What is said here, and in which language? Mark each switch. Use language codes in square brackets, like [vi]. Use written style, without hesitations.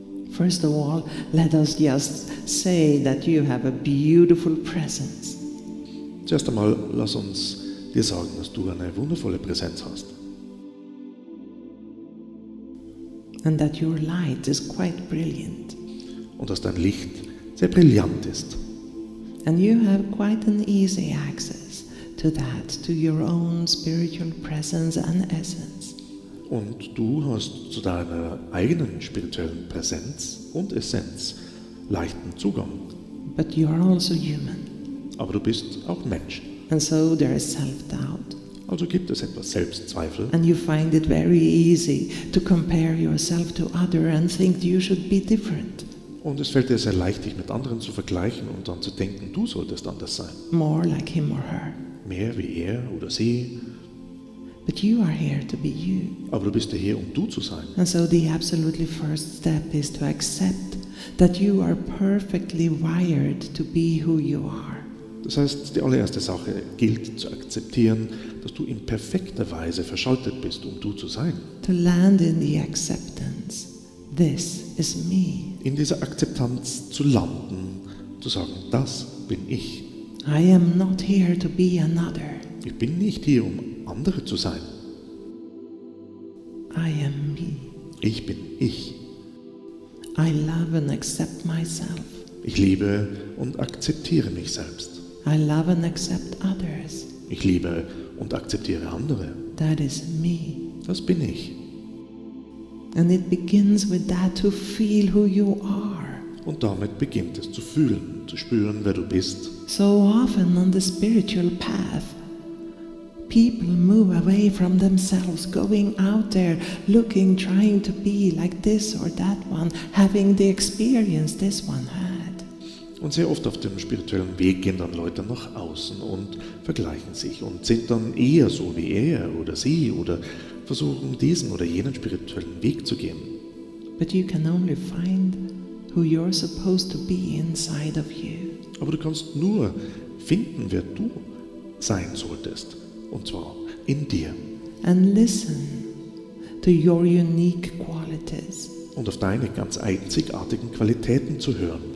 [en] First of all, let us just say that you have a beautiful presence. [de] Zuerst einmal lass uns dir sagen, dass du eine wundervolle Präsenz hast. [en] And that your light is quite brilliant. [de] Und dass dein Licht sehr brillant ist. [en] And you have quite an easy access to that, to your own spiritual presence and essence. [de] Und du hast zu deiner eigenen spirituellen Präsenz und Essenz leichten Zugang. [en] But you are also human. [de] Aber du bist auch Mensch. [en] And so there is self-doubt. [de] Also gibt es etwas Selbstzweifel. [en] And you find it very easy to compare yourself to other and think you should be different. [de] Und es fällt dir sehr leicht, dich mit anderen zu vergleichen und dann zu denken, du solltest anders sein. [en] More like him or her. [de] Mehr wie er oder sie. [en] But you are here to be you. [de] Aber du bist ja hier, um du zu sein. [en] And so the absolutely first step is to accept that you are perfectly wired to be who you are. [de] Das heißt, die allererste Sache gilt zu akzeptieren, dass du in perfekter Weise verschaltet bist, um du zu sein. [en] To land in the acceptance, this is me. [de] In dieser Akzeptanz zu landen, zu sagen, das bin ich. [en] I am not here to be another. [de] Ich bin nicht hier, um andere zu sein. [en] I am me. [de] Ich bin ich. [en] I love and accept myself. [de] Ich liebe und akzeptiere mich selbst. [en] I love and accept others. [de] Ich liebe und akzeptiere andere. [en] That is me. [de] Das bin ich. [en] And it begins with that to feel who you are. [de] Und damit beginnt es zu fühlen, zu spüren, wer du bist. [en] So often on the spiritual path, people move away from themselves, going out there, looking, trying to be like this or that one, having the experience this one has. [de] Und sehr oft auf dem spirituellen Weg gehen dann Leute nach außen und vergleichen sich und sind dann eher so wie er oder sie oder versuchen diesen oder jenen spirituellen Weg zu gehen. [en] But you can only find who you're supposed to be inside of you. [de] Aber du kannst nur finden, wer du sein solltest, und zwar in dir. [en] And listen to your unique qualities. [de] Und auf deine ganz einzigartigen Qualitäten zu hören.